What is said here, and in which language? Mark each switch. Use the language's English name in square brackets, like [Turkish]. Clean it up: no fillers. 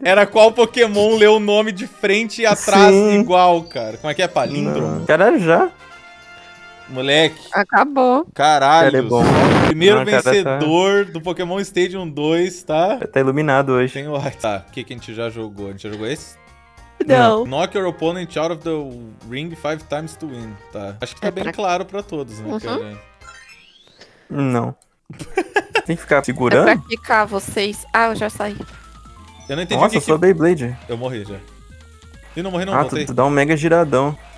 [Portuguese] Era qual Pokémon leu o nome de frente e atrás Sim. igual, cara? Como é que é? Palíndromo? Caralho, já? Moleque. Acabou. Caralho. É bom. Primeiro vencedor do Pokémon Stadium 2, tá? Tá iluminado hoje. Tem o... Tá, o que a gente já jogou? A gente já jogou esse? Não. [English] Knock your opponent out of the ring 5 times to win, tá? [Portuguese] Acho que tá bem claro pra todos, né? Uhum. Não. Tem que ficar segurando? É pra ficar vocês. Ah, eu já saí. Eu não entendi. Nossa, que eu sou a Beyblade. Eu morri já. Ih, não morri não, ah, voltei. Ah, tu dá um mega giradão.